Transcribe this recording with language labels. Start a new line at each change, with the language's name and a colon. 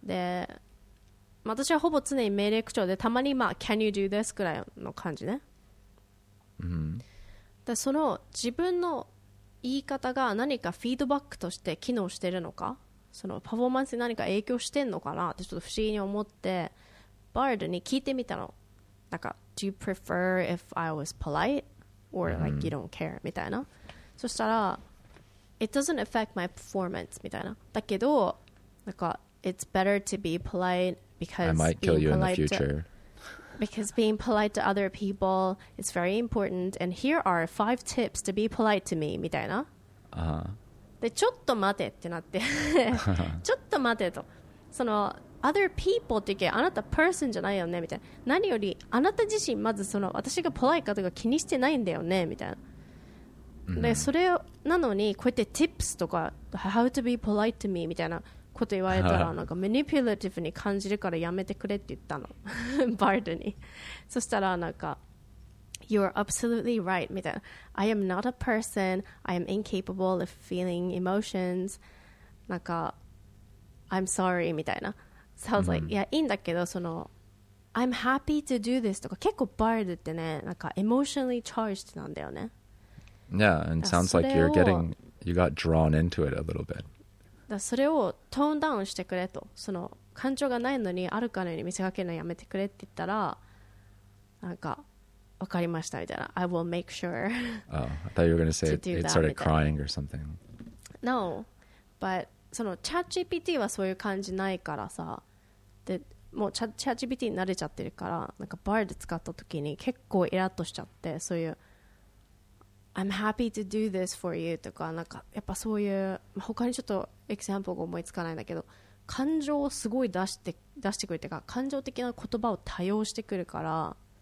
Japanese: で、私はほぼ常に命令口調で、たまにまあ
English: Can you do this?
Japanese: くらいの感じね。うん、だその自分の言い方が何かフィードバックとして機能してるのか、そのパフォーマンスに何か影響してんのかなってちょっと不思議に思って Bard に聞いてみたの。
English: なんか Do you prefer if I was polite? Or like you don't care?
Japanese: みたいな、うん、そしたら
English: It doesn't affect my performance
Japanese: みたいな、だけどなんか
English: It's better to be politeBecause I might kill you in the future. Because being polite to other people is very important. And here are 5 tips to be polite to me, みたいな。
Japanese: で、ちょっと待てってなって。ちょっと待てと。その、
English: other people
Japanese: って言うけど、あなた person じゃないよね、みたいな。何より、あなた自身、まずその、私が polite かとか気にしてないんだよね、みたいな。で、それを、なのに、こうやって tips とか、
English: how to be polite to me,
Japanese: みたいな。こと言われたらなんかマニピュラティブに感じるからやめてくれって言ったのバードに。そしたらなんか
English: You're absolutely right
Japanese: みたいな。
English: I am not a person. I am incapable of feeling emotions. なんか I'm sorry みたいな。 So I was like、
Japanese: うん、いやいいんだけど、その
English: I'm happy to do this
Japanese: とか、結構バードってね、なんか
English: emotionally charged
Japanese: なんだよね。
English: Yeah, and sounds like you got drawn into it a little bit.
Japanese: だそれをトーンダウンしてくれと、その感情がないのにあるかのように見せかけるのやめてくれって言ったら、なんか分かりましたみたいな。
English: I will make sure. Oh, I thought you were going to say it started crying or something. No, but
Japanese: そのチャット GPT はそういう感じないからさ、でもうチャット GPT に慣れちゃってるから、なんか Bard 使った時に結構イラッとしちゃって、そういう
English: I'm happy to do this for you
Japanese: とか、なんかやっぱそういう、他にちょっとエクサンプルが思いつかないんだけど、感情をすごい出してくるというか、感情的な言葉を多用してくるから、